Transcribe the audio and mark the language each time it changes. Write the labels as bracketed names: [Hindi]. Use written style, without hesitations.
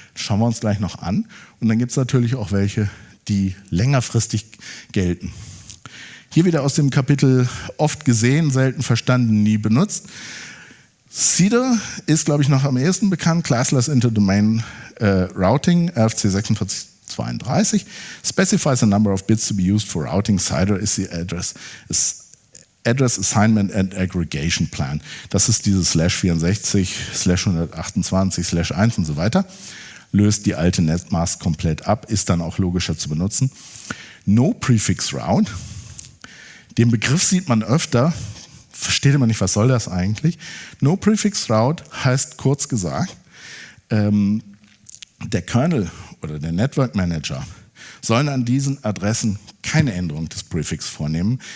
[German] Das schauen wir uns gleich noch an. Und dann gibt es natürlich auch welche, die längerfristig gelten. Hier wieder aus dem Kapitel oft gesehen, selten verstanden, nie benutzt. CEDAR ist, glaube ich, noch am ehesten bekannt, Classless Interdomain Routing, RFC 4632. [English] Specifies the number of bits to be used for routing. CIDR is the address assignment and aggregation plan. [German] Das ist dieses /64, /128, /1 und so weiter. Löst die alte Netmask komplett ab, ist dann auch logischer zu benutzen. No prefix route. Den Begriff sieht man öfter. Versteht man nicht, was soll das eigentlich? No prefix route heißt kurz gesagt, der Kernel oder der Network Manager sollen an diesen Adressen keine Änderung des Prefix vornehmen.